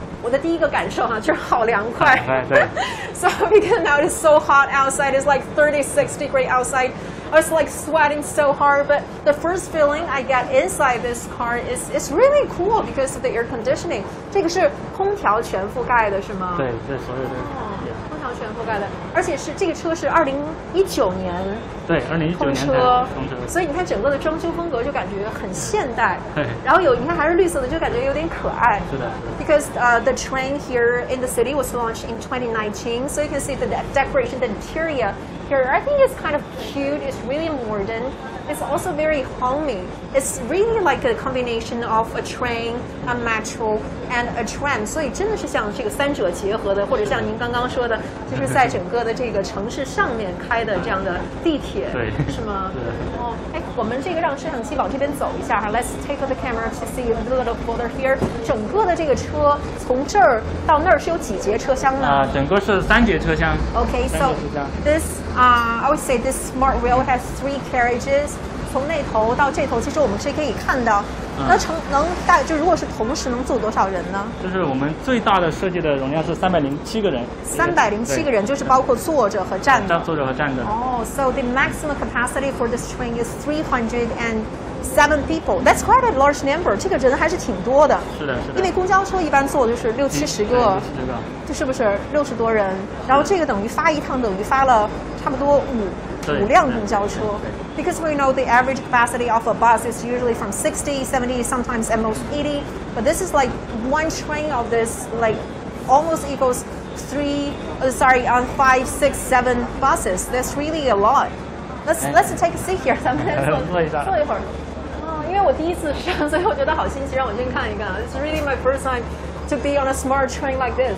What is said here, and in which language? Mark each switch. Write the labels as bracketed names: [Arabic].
[Chinese] 我的第一个感受哈，就是好凉快。对。 [English] So because now it is so hot outside, it's like 36 degrees outside. I was like sweating so hard, but the first feeling I get inside this car is it's really cool because of the air conditioning. [Chinese] 这个是空调全覆盖的是吗？对，对，所有的。全覆盖的，而且是这个车是2019年，对，2019年的通车，所以你看整个的装修风格就感觉很现代，然后有你看还是绿色的，就感觉有点可爱。是的。 [English] Because the train here in the city was launched in 2019, so you can see the decoration, the interior here, I think it's kind of cute. It's really modern. It's also very homey. It's really like a combination of a train, a metro, and a tram. [Chinese] 所以真的是像这个三者结合的，或者像您刚刚说的。就是在整个的这个城市上面开的这样的地铁，对，是吗？对。哦，哎，我们这个让摄像机往这边走一下哈 ， [English] Let's take the camera to see a little further here。 [Chinese] 整个的这个车从这儿到那儿是有几节车厢呢？整个是三节车厢。 [English] Okay, so this I would say this smart wheel has three carriages。 [Chinese] 从那头到这头，其实我们是可以看到。能带就如果是同时能坐多少人呢？就是我们最大的设计的容量是307个人。 307个人就是包括坐着和站的。坐着和站的。 [English] So the maximum capacity for this train is 307 people. That's quite a large number. [Chinese] 这个人还是挺多的。是的，是的。因为公交车一般坐就是60-70个。六七十个。这是不是60多人？然后这个等于发一趟等于发了差不多五辆公交车。 [English] Because we know the average capacity of a bus is usually from 60, 70, sometimes at most 80. But this is like one train of this, like almost equals five, six, seven buses. That's really a lot. Let's take a seat here. [Chinese] 咱们来坐一下。坐一会儿。因为我第一次上，所以我觉得好新奇，让我先看一看。 [English] It's really my first time to be on a smart train like this.